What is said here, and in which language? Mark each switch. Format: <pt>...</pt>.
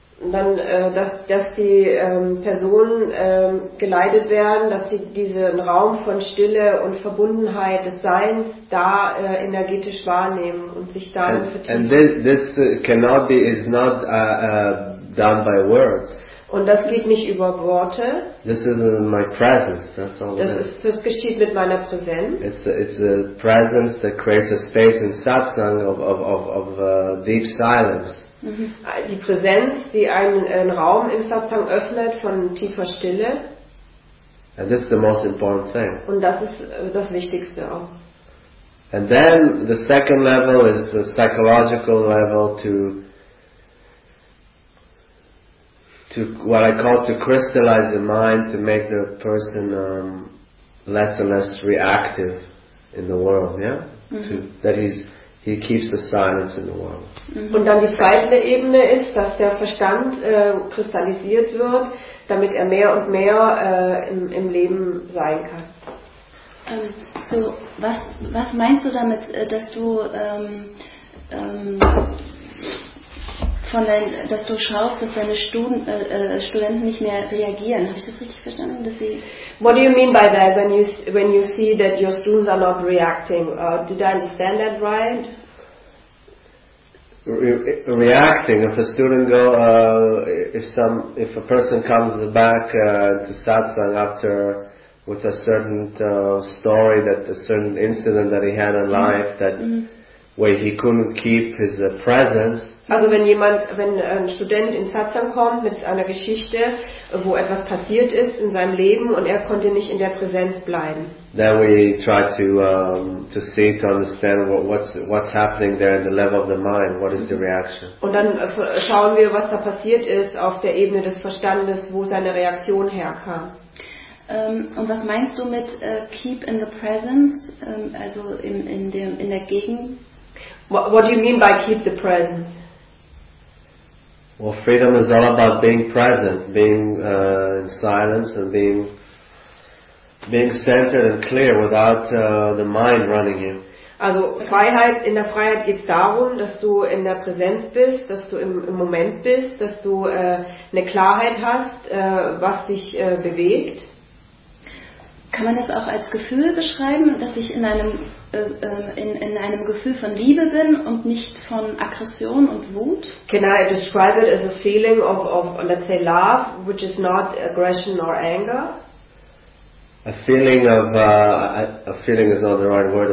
<de>Dann, dass die Personen geleitet werden, dass sie diesen Raum von Stille und Verbundenheit des Seins da energetisch wahrnehmen und sich darin vertiefen.</de> <en>And this cannot be, is not done by words.</en> <de>Und das geht nicht über Worte.</de> <en>This is my presence, that's all.</en> <de>Das geschieht mit meiner Präsenz.</de> <en>It's a presence that creates a space in satsang of deep silence.</en> <de>Die Präsenz, die einen Raum im Satsang öffnet von tiefer Stille.</de> <en>And this is the most important thing.</en> <de>Und das ist das Wichtigste auch.</de> <en>And then the second level is the psychological level to what I call to crystallize the mind, to make the person less and less reactive in the world, yeah? Mm-hmm. He keeps the silence in the world.</en> <de>Und dann die zweite Ebene ist, dass der Verstand kristallisiert wird, damit er mehr und mehr im Leben sein kann. So, was meinst du damit, dass du dass du schaust, dass deine Studenten nicht mehr reagieren? Habe ich das richtig verstanden, dass sie?</de> <en>What do you mean by that? When you see that your students are not reacting, did I understand that right? Reacting. If a student go, if a person comes back to satsang after with a certain story, that a certain incident that he had in life that where he couldn't keep his presence.</en> <de>Also wenn ein Student in Satsang kommt mit einer Geschichte, wo etwas passiert ist in seinem Leben und er konnte nicht in der Präsenz bleiben.</de> <en>Then we try to see, to understand what's happening there in the level of the mind. What is the reaction?</en> <de>Und dann schauen wir, was da passiert ist auf der Ebene des Verstandes, wo seine Reaktion herkam. Und was meinst du mit</de> <en>keep in the presence,</en> <de>also in der Gegend?</de> <en>What do you mean by keep the presence? Well, freedom is all about being present, being in silence and being centered and clear without the mind running you.</en> <de>Also Freiheit, in der Freiheit geht es darum, dass du in der Präsenz bist, dass du im Moment bist, dass du eine Klarheit hast, was dich bewegt. Kann man das auch als Gefühl beschreiben, dass ich in einem Gefühl von Liebe bin und nicht von Aggression und Wut?</de> <en>Can I describe it as a feeling of let's say love, which is not aggression nor anger? A feeling of a feeling is not the right word.</en>